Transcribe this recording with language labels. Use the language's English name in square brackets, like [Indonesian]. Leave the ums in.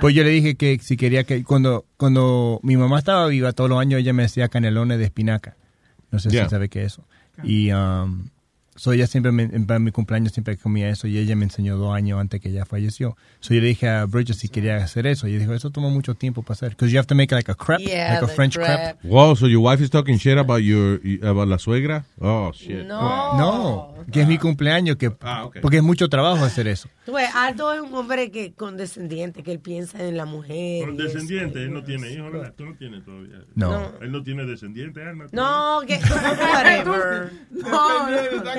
[Spanish] Pues yo le dije que si quería que. Cuando, cuando mi mamá estaba viva todos los años, ella me hacía canelones de espinaca. No sé yeah. si sabe qué es eso. Okay. Y. Um, So ella siempre, me, en, mi cumpleaños, siempre comía eso y ella me enseñó dos años antes que ella falleció. So yo le dije a Bridget si quería hacer eso. Y dijo, eso toma mucho tiempo para hacer. [English] ¿Porque you have to make like a crepe, yeah, like a French crepe. Crep. Wow, so your wife is talking shit about your, about [Spanish] la suegra? [English] Oh, shit. No. [Spanish] No, que es mi cumpleaños, que, ah, okay. porque es mucho trabajo hacer eso. Tuve Aldo es un hombre que, condescendiente, que él piensa en la mujer. Condescendiente, él no tiene hijos, ¿verdad? Tú no tienes todavía. No. Él no tiene descendiente, No, que, no, no.